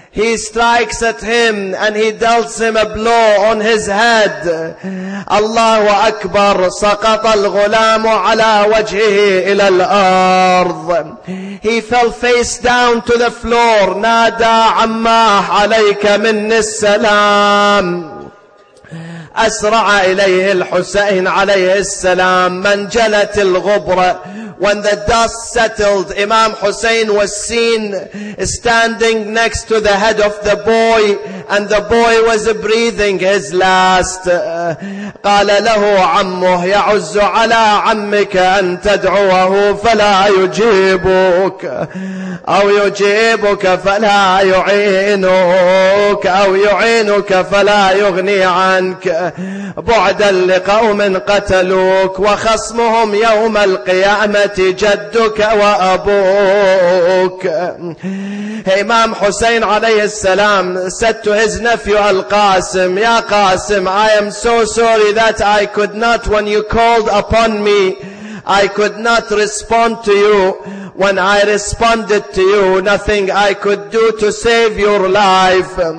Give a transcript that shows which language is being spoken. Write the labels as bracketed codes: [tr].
[en] He strikes at him and he dealt him a blow on his head. Allahu Akbar. [ar] سقط الغلام على وجهه إلى الأرض. [en] He fell face down to the floor. [ar] نادى عماه عليك من السلام. أسرع إليه الحسين عليه السلام من جلت الغبرة. [en] When the dust settled, Imam Hussein was seen standing next to the head of the boy, and the boy was breathing his last. [ar] قال له عمه يعز على عمك أن تدعوه فلا يجيبك أو يجيبك فلا يعينك أو يعينك فلا يغني عنك بعدا لقوم قتلوك وخصمهم يوم القيامة جدك وأبوك. [en] Imam Hussein [ar] عليه السلام [en] said to his nephew Al-Qasim, يا قاسم, I am so sorry that I could not, when you called upon me, I could not respond to you. When I responded to you, nothing I could do to save your life.